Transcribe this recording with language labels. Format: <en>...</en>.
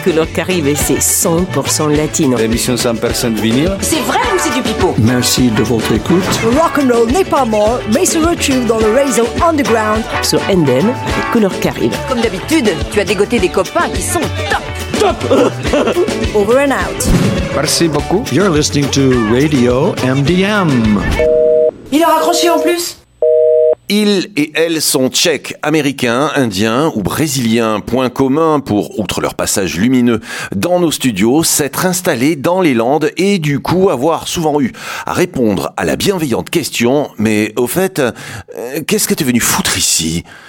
<fr>Couleurs caribes, c'est 100% latino. L'émission 100% vinyle. C'est vrai ou c'est du pipeau? Merci de votre écoute. Le rock'n'roll n'est pas mort, mais se retrouve dans le réseau underground. Sur MDM avec couleurs caribes. Comme d'habitude, tu as dégoté des copains qui sont top.</fr> <en>Over and out.</en> <fr>Merci beaucoup.</fr> <en>You're listening to Radio MDM.</en> <fr>Il a raccroché en plus. Ils et elles sont tchèques, américains, indiens ou brésiliens. Point commun pour, outre leur passage lumineux dans nos studios, s'être installés dans les Landes et du coup avoir souvent eu à répondre à la bienveillante question « Mais au fait, qu'est-ce que t'es venu foutre ici ?»</fr>